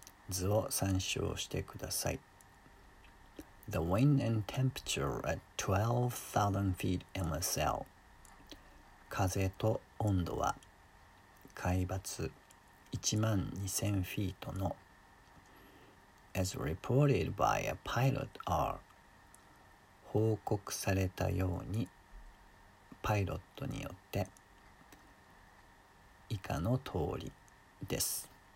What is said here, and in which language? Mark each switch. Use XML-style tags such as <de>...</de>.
<ja>図を参照してください。</ja> <en>The wind and temperature at 12,000 feet MSL.</en> <ja>風と温度は海抜12,000フィートの</ja> <en>As reported by a pilot are</en> <ja>報告されたようにパイロットによって以下の通りです。</ja>